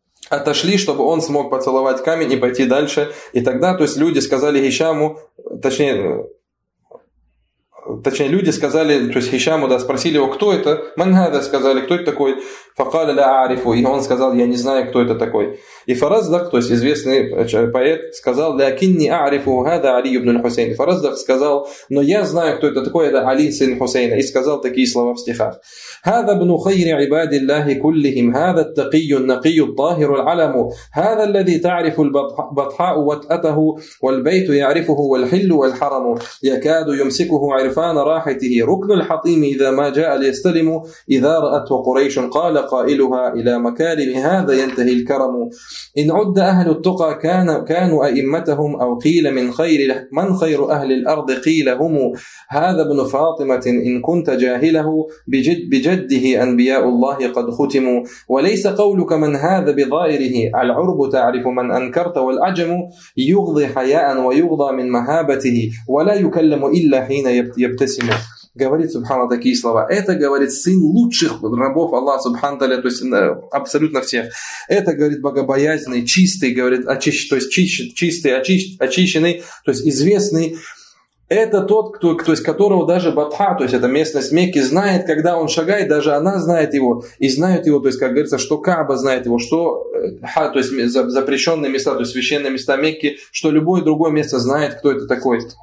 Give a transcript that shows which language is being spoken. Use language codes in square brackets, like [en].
[ru] Отошли, чтобы он смог поцеловать камень и пойти дальше. И тогда, то есть люди сказали Хишаму, точнее, люди сказали, то есть Хишаму, да, спросили его, кто это? [ar] Мангада [ru] сказали, кто это такой? [ar] Факаля ля арифу. [ru] И он сказал, я не знаю, кто это такой. И Фараздах, то есть известный поэт, сказал, [ar] ля кинни арифу гада Али ибн Хусейн. [ru] Фараздах сказал, но я знаю, кто это такой, это Али сын Хусейна. И сказал такие слова в стихах. [ar] هذا ابن خير عباد الله كلهم هذا التقي النقي الطاهر العلم هذا الذي تعرف البطحاء وطأته والبيت يعرفه والحل والحرم يكاد يمسكه عرفان راحته ركن الحطيم إذا ما جاء ليستلم إذا رأته قريش قال قائلها إلى مكارم هذا ينتهي الكرم إن عد أهل التقى كانوا أئمتهم أو قيل من خير أهل الأرض قيل هم هذا ابن فاطمة إن كنت جاهله بجد جده أنبياء الله قد ختموا وليس قولك من هذا بظائره العرب تعرف من أنكرت والعجم يغضي حياء ويغضى من مهابته ولا يكلم إلا حين يبتسم. [ru] Говорит, субхана, такие слова. Это, говорит, сын лучших рабов Аллаха, субхана таля, то есть абсолютно всех. Это, говорит, богобоязненный, чистый, говорит, очищенный, то есть известный. Это тот, то есть которого даже Батха, то есть это местность Мекки, знает, когда он шагает, даже она знает его, и знает его, то есть, как говорится, что Кааба знает его, что то есть запрещенные места, то есть священные места Мекки, что любое другое место знает, кто это такой.